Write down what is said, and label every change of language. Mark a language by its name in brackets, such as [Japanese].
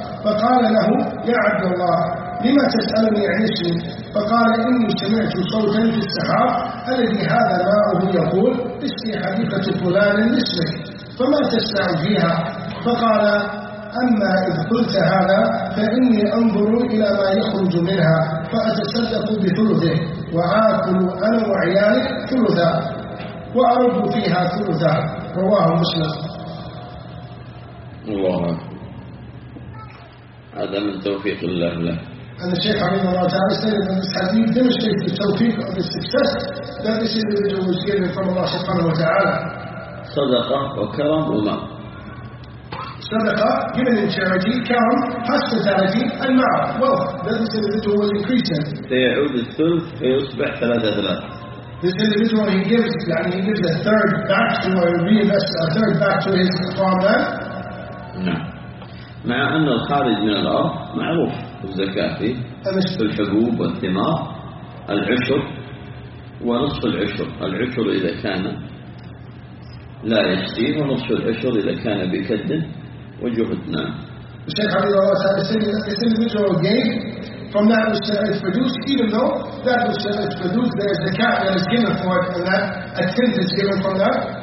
[Arabic] فقال له يا عبد الله لما تسألني عن اسمي؟ فقال إني سمعت صوتا في السحاب الذي هذا ماءه يقول اسقي حديقة فلان باسمك فما تسمع فيها؟ فقال أما إذ قلت هذا فإني أنظر إلى ما يخرج منها فأتصدق بثلثه وآكل أنا وعيالي ثلثا وأرد فيها ثلثا رواه مسلم. الله هذا من توفيق الله له. [English] And the Shaykh Hafidhullah Ta'ala stated that this hadith demonstrates the tawfiq of the success that this individual was given from Allah Subhanahu wa Ta'ala. [Arabic] Sadaqah wa karam wa ma. [English] Sadaqah, given in charity, karam, hospitality, and ma'a, wealth that this individual was increasing. [Arabic] سيعود الثلث فيصبح ثلاثة ثلاثة. [English] This individual, he gives a third back to, or he reinvests a third back to his farmland. No. [Arabic] مع أن الخارج من الأرض معروف الزكاة فيه في الحبوب والثمار العشر ونصف العشر، العشر إذا كان لا يشتي ونصف العشر إذا كان بكد وجهد. نعم. [English] الشيخ عبد الله تعالى said that this individual gave from that which is produced, even though that which is produced, there is a cap that is given for it, and that a tenth is given from that.